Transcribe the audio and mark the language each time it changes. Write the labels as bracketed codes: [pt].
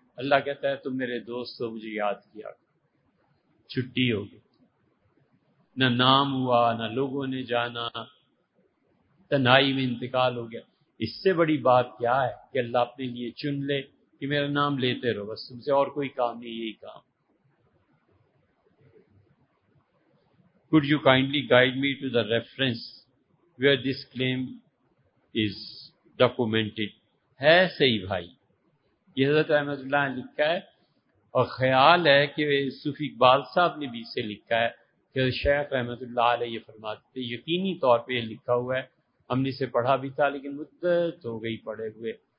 [ur] اللہ کہتا ہے تم میرے دوست ہو، مجھے یاد کیا، چھٹی ہو گئی، نہ نام ہوا، نہ لوگوں نے جانا، تنہائی میں انتقال ہو گیا. اس سے بڑی بات کیا ہے کہ اللہ اپنے لیے چن لے کہ میرا نام لیتے رہو، بس تم سے اور کوئی کام نہیں، یہی کام. [en] Could you kindly guide me to the reference where this claim is documented? [ur] ہے صحیح بھائی، یہ حضرت احمد اللہ نے لکھا ہے، اور خیال ہے کہ صوفی اقبال صاحب نے بھی اسے لکھا ہے کہ شیخ احمد اللہ علیہ یہ فرماتے تھے. یقینی طور پہ یہ لکھا ہوا ہے، ہم نے اسے پڑھا بھی تھا لیکن مدت ہو گئی پڑھے ہوئے.